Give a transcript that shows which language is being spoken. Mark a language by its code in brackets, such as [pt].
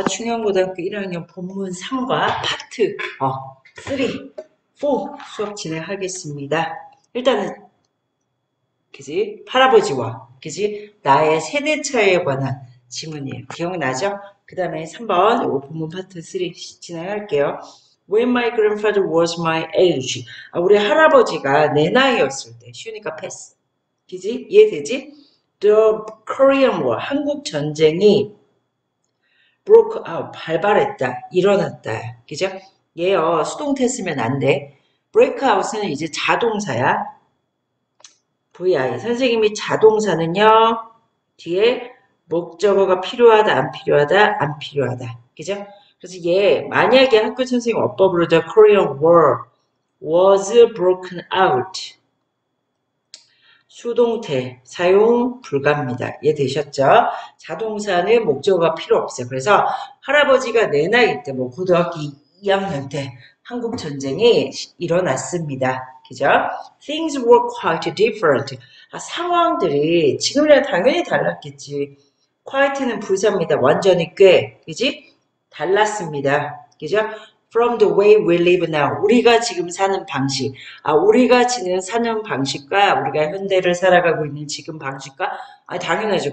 [ko] 충영고등학교 1학년 본문 3과 파트 3, 4 수업 진행하겠습니다. 일단은, 그지? 할아버지와, 그지? 나의 세대차에 관한 질문이에요. 기억나죠? 그 다음에 3번, 요거 본문 파트 3 진행할게요. [en] When my grandfather was my age. [ko] 아, 우리 할아버지가 내 나이였을 때. 쉬우니까 패스. 그지? 이해되지? [en] The Korean War. [ko] 한국 전쟁이 [en] broke out, [ko] 발발했다, 일어났다, 그죠? 얘요, 수동태 쓰면 안 돼. break out은 이제 자동사야. VI. 선생님이 자동사는요, 뒤에 목적어가 필요하다, 안 필요하다, 안 필요하다, 그죠? 그래서 얘, 만약에 학교 선생님 어법으로 [en] The Korean War was broken out. [ko] 수동태 사용 불가입니다. 이해 되셨죠? 자동사는 목적어가 필요 없어요. 그래서 할아버지가 내 나이 때, 뭐 고등학교 2학년 때 한국 전쟁이 일어났습니다. 그죠? [en] Things were quite different. [ko] 아, 상황들이 지금이랑 당연히 달랐겠지. Quite는 부사입니다. 완전히 꽤, 그지? 달랐습니다. 그죠? [en] From the way we live now. 우리가 지금 사는 방식. [ko] 아, 우리가 지금 사는 방식과 우리가 현대를 살아가고 있는 지금 방식과. 아, 당연하죠.